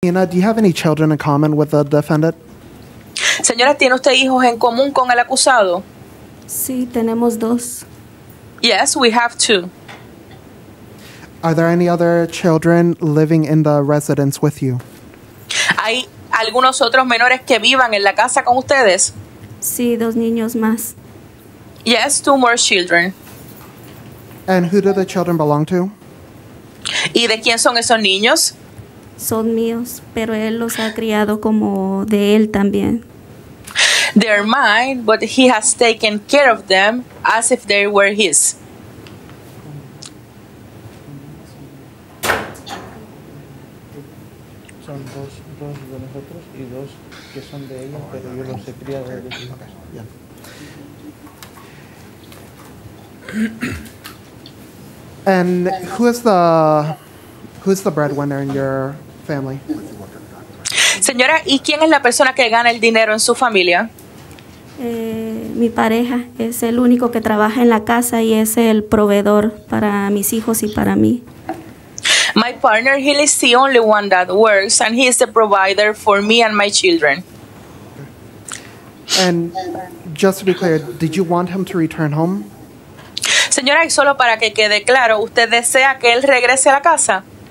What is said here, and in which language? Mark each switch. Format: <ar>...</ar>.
<en>Ina, do you have any children in common with the defendant?</en> <es>Señora, ¿tiene usted hijos en común con el acusado? Sí, tenemos dos.</es> <en>Yes, we have two. Are there any other children living in the residence with you?</en> <es>¿Hay algunos otros menores que vivan en la casa con ustedes? Sí, dos niños más.</es> <en>Yes, two more children. And who do the children belong to?</en> <es>¿Y de quién son esos niños? Son míos, pero él los ha criado como de él también.</es> <en>They're mine, but he has taken care of them as if they were his.</en> <es>Son dos de nosotros y dos que son de ellos, pero yo los he criado de ellos.</es> <en>And who is the breadwinner in your family?</en> <es>Señora, ¿y quién es la persona que gana el dinero en su familia? Mi pareja es el único que trabaja en la casa y es el proveedor para mis hijos y para mí.</es> <en>My partner, he is the only one that works, and he is the provider for me and my children. And just to be clear, did you want him to return home?</en> <es>Señora, y solo para que quede claro, ¿usted desea que él regrese a la casa?</es>